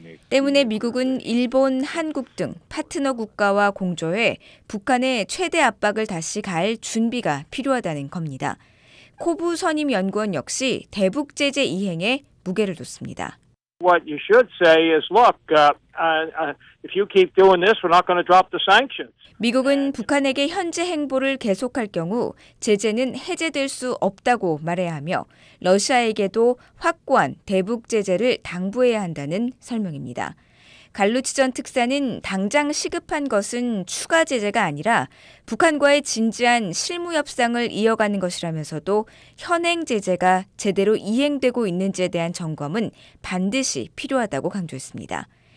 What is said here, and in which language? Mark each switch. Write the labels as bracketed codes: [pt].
[ko] 때문에 미국은 일본, 한국 등 파트너 국가와 공조해 북한의 최대 압박을 다시 가할 준비가 필요하다는 겁니다. 코브 선임 연구원 역시 대북 제재 이행에 무게를 뒀습니다. [en] What you should say is, look, if you keep doing this, we're not going to drop the sanctions. [ko] 미국은 북한에게 현재 행보를 계속할 경우 제재는 해제될 수 없다고 말해야 하며 러시아에게도 확고한 대북 제재를 당부해야 한다는 설명입니다. 갈루치전 특사는 당장 시급한 것은 추가 제재가 아니라 북한과의 진지한 실무 협상을 이어가는 것이라면서도 현행 제재가 제대로 이행되고 있는지에 대한 점검은 반드시 필요하다고 강조했습니다.